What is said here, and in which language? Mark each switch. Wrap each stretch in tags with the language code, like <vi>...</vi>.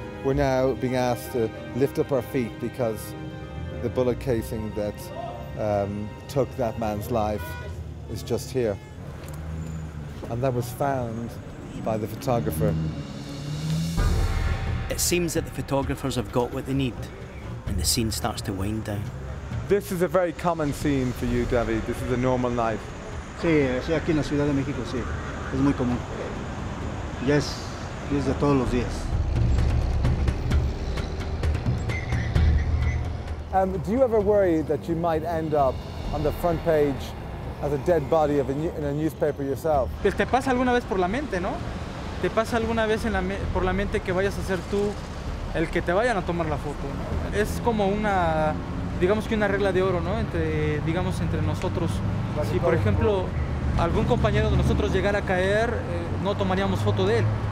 <en>We're now being asked to lift up our feet because the bullet casing that took that man's life is just here. And that was found by the photographer. It seems that the photographers have got what they need, and the scene starts to wind down. This is a very common scene for you, David. This is a normal night.</en> <es>Sí, sí, aquí en la Ciudad de México, sí. Es muy común. Yes, es de todos los días.</es> <en>Do you ever worry that you might end up on the front page as a dead body of in a newspaper yourself?</en> <es>Pues te pasa alguna vez por la mente, ¿no? Te pasa alguna vez en la por la mente que vayas a ser tú el que te vayan a tomar la foto, ¿no? Es como una, digamos que una regla de oro, ¿no? Entre, digamos, entre nosotros. Si, por ejemplo, algún compañero de nosotros llegara a caer, no tomaríamos foto de él.</es>